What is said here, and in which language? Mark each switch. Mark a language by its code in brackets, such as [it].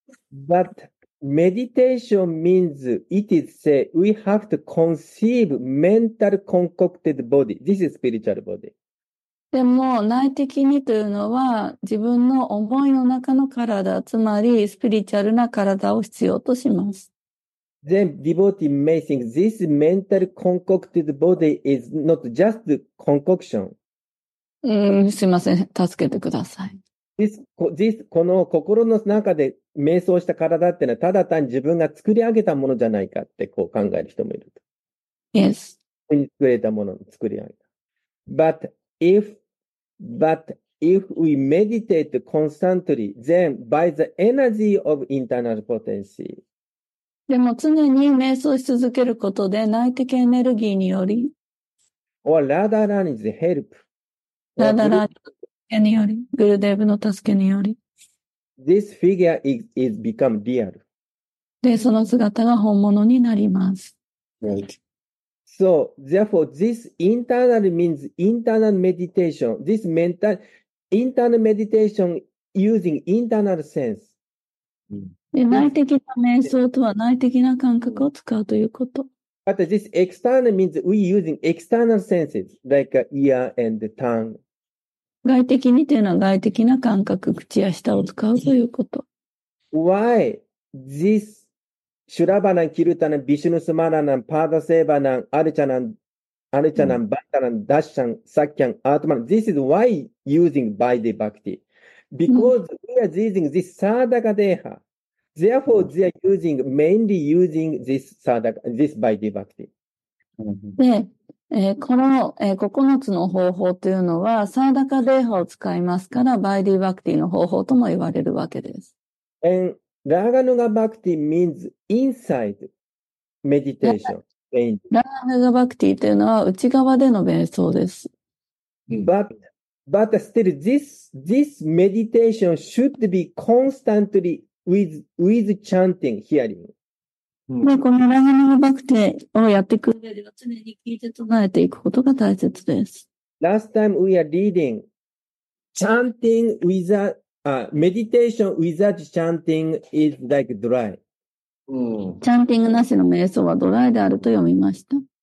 [en] But meditation means it is say we have to conceive mental concocted body. This is spiritual body. [ja] でも内的にというのは自分の思いの中の体、つまりスピリチュアルな体を必要とします。 [en] Then devotee may think this mental concocted body is not just concoction. [ja] すいません、助けてください。 This, この心の中で瞑想した体っていうのはただ単に自分が作り上げたものじゃないかってこう考える人もいると。 [en] Yes. [ja] 作れたものを作り上げた。 [en] But if we meditate constantly, then by the energy of internal potency. [ja] でも常に瞑想し続けることで内的エネルギーにより。 [en] Or Radha Rani's help. [ja] Radha Rani の助けにより、グルデーブの助けにより。 [en] This figure is become real. [ja] で、その姿が本物になります。 [en] Right. So, therefore, this internal means internal meditation. This mental, internal meditation using internal sense. [ja] で、内的な瞑想とは内的な感覚を使うということ。 [en] But this external means we using external senses, like ear and tongue. [ja] 外的にというのは外的な感覚、口や舌を使うということ。 [en] Why this [sa] シュラバナン、キルタナン、ビシュヌスマラナン、パーダセーバナン、アルチャナン、アルチャナン、バッタナン、ダッシャン、サッキャン、アートマン。 [en] This is why using by the bhakti. Because we are using this sadaka deha. Therefore, they are using, mainly using this sadaka, this by the bhakti. [ja] で、この、9つの方法というのは、サーダカデーハを使いますから、バイディバクティの方法とも言われるわけです。 [en] And, ラーガヌガバクティ means inside meditation. [ja] ラーガヌガバクティというのは内側での瞑想です。 [en] But still, this meditation should be constantly with chanting, hearing. [ja] で、このラガナガバクテをやっていく上では常に聞いて唱えていくことが大切です。 [en] Last time we are reading, chanting without, meditation without chanting is like dry. [ja] チャンティングなしの瞑想はドライであると読みました。